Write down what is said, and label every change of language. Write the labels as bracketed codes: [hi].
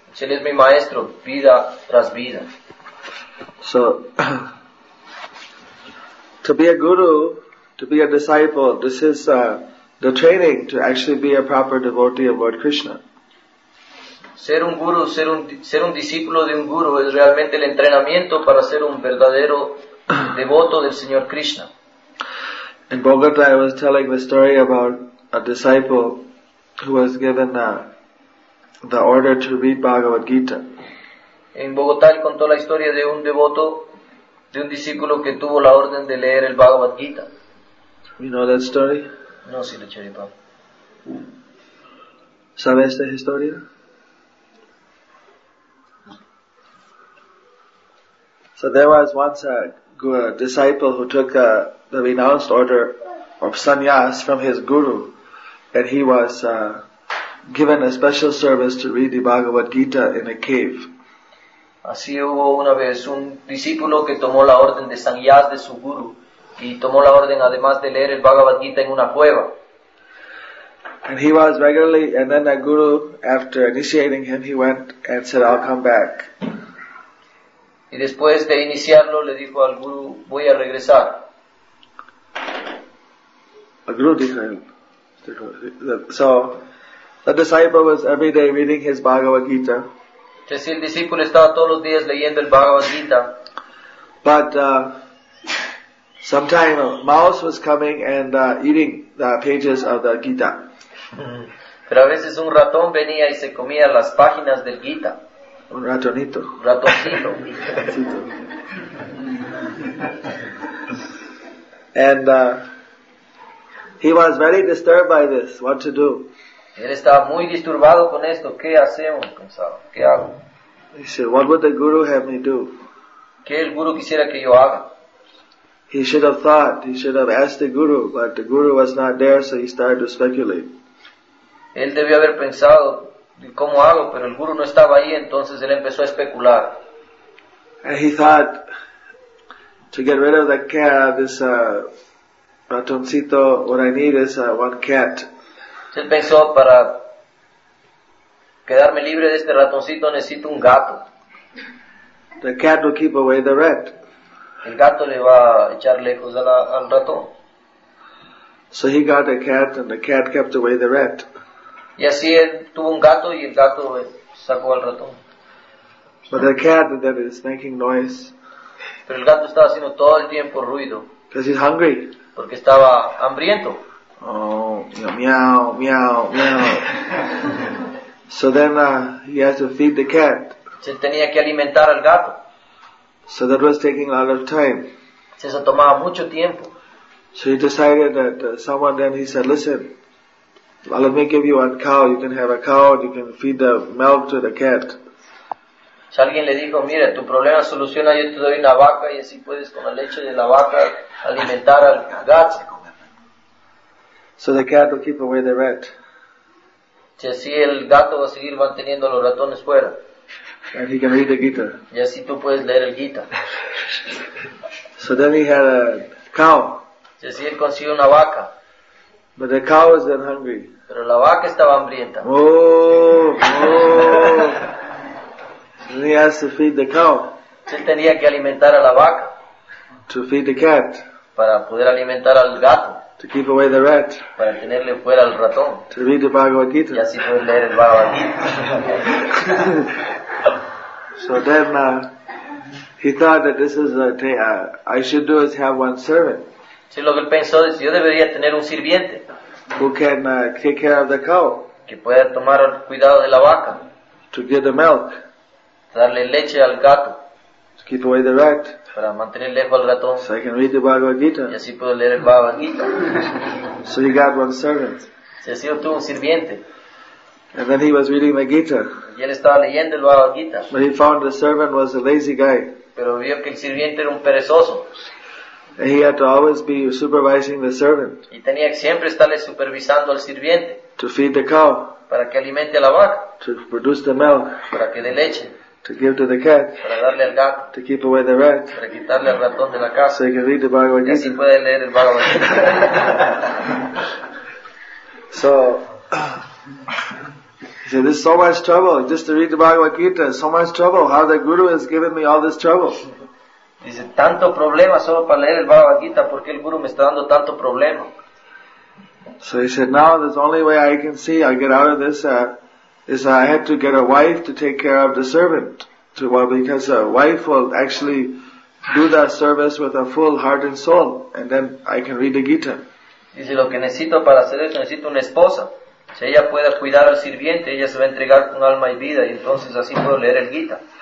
[es] Él es mi maestro, vida tras vida. [en] So, to be a guru, to be a disciple, this is the training to actually be a proper devotee of Lord Krishna. [es] Ser un guru, ser un discípulo de un guru es realmente el entrenamiento para ser un verdadero devoto del Señor Krishna. [en] In Bogota, I was telling the story about a disciple who was given the order to read Bhagavad Gita. [es] En Bogotá, él contó la historia de un devoto, de un discípulo que tuvo la orden de leer el Bhagavad Gita. [en] You know that story? [es] No, sí, lo chévere, Pablo. ¿Sabe esta historia? [en] So there was once a disciple who took the renounced order of sannyas from his guru, and he was given a special service to read the Bhagavad Gita in a cave. [es] Así hubo una vez un discípulo que tomó la orden de sannyas de su guru y tomó la orden además de leer el Bhagavad Gita en una cueva. [en] And he was regularly, and then the guru, after initiating him, he went and said, "I'll come back." [es] Y después de iniciarlo, le dijo al guru, "Voy a regresar." [en] The guru [es] dijo, [en] "So, the disciple was every day reading his Bhagavad Gita." [es] Entonces el discípulo estaba todos los días leyendo el Bhagavad Gita. [en] But sometime a mouse was coming and eating the pages of the Gita. [es] Pero a veces un ratón venía y se comía las páginas del Gita. Un ratonito. Ratoncito. [en] And he was very disturbed by this. What to do? [es] Él estaba muy disturbado con esto. ¿Qué hacemos? Pensaba. ¿Qué hago? [en] He said, "What would the guru have me do?" [es] ¿Qué el guru quisiera que yo haga? [en] He should have thought. He should have asked the guru, but the guru was not there, so he started to speculate. [es] Él debió haber pensado, ¿cómo hago? Pero el guru no estaba ahí, entonces él empezó a especular. [en] And he thought, to get rid of the cat, this [es] ratoncito, [en] what I need is one cat. [es] Él pensó, para quedarme libre de este ratoncito, necesito un gato. [en] The cat will keep away the rat. [es] El gato le va a echar lejos al ratón. [en] So he got a cat, and the cat kept away the rat. [es] Y así él tuvo un gato y el gato sacó al ratón. [en] But the cat that is making noise. [es] Pero el gato estaba haciendo todo el tiempo ruido. [en] Because he's hungry. [es] Porque estaba hambriento. Oh, meow, meow, meow. [en] So then he has to feed the cat. [es] Se tenía que alimentar al gato. [en] So that was taking a lot of time. [es] Eso tomaba mucho tiempo. [en] So he decided that he said, "Listen, well, let me give you a cow. You can have a cow and you can feed the milk to the cat." [es] Si alguien le dijo, "Mira, tu problema soluciona, yo te doy una vaca y así puedes con la leche de la vaca alimentar al gato." [en] So the cat will keep away the rat. [es] Si así el gato va a seguir manteniendo a los ratones fuera. [en] And he can read the Gita. [es] Y así tú puedes leer el Gita. [en] So then he had a cow. [es] Si así él consiguió una vaca. [en] But the cow was then hungry. [es] Pero la vaca estaba hambrienta. Oh, oh. [en] Then he has to feed the cow. [es] Él tenía que alimentar a la vaca. [en] To feed the cat. [es] Para poder alimentar al gato. [en] To keep away the rat. [es] Para tenerle fuera al ratón. [en] To read the Bhagavad Gita. [es] Y así poder leer el Bhagavad Gita. [en] So then he thought that this is I should do is have one servant. [es] Sí, lo que él pensó es, yo debería tener un sirviente. [en] Who can take care of the cow? [es] Que pueda tomar cuidado de la vaca. [en] To give the milk. [es] Darle leche al gato. [en] To keep away the rat. [es] Para mantener lejos al ratón. [en] So I can read the Bhagavad Gita. [es] Y así puedo leer el Bhagavad Gita. [en] So he got one servant. [es] Sí, así obtuvo un sirviente. [en] And then he was reading the Gita. [es] Y él estaba leyendo el Bhagavad Gita. [en] But he found the servant was a lazy guy. [es] Pero vio que el sirviente era un perezoso. [en] And he had to always be supervising the servant. [es] Y tenía que siempre estarle supervisando al sirviente. [en] To feed the cow. [es] Para que alimente a la vaca. [en] To produce the milk. [es] Para que dé leche. [en] To give to the cat. [es] Para darle al gato. [en] To keep away the rat. [es] Para quitarle al ratón de la casa. [en] So he can read the Bhagavad Gita. [es] Y así puede leer el Bhagavad Gita. [en] So he said, "This is so much trouble, just to read the Bhagavad Gita, so much trouble, how the Guru has given me all this trouble." [es] Dice, tanto problema solo para leer el Bhagavad Gita, ¿por qué el Guru me está dando tanto problema? [en] So he said, "Now the only way I can see I get out of this is I have to get a wife to take care of the servant. Because a wife will actually do that service with a full heart and soul, and then I can read the Gita." [es] Dice, lo que necesito para hacer eso, necesito una esposa. Si ella puede cuidar al sirviente, ella se va a entregar con alma y vida, y entonces así puedo leer el Gita.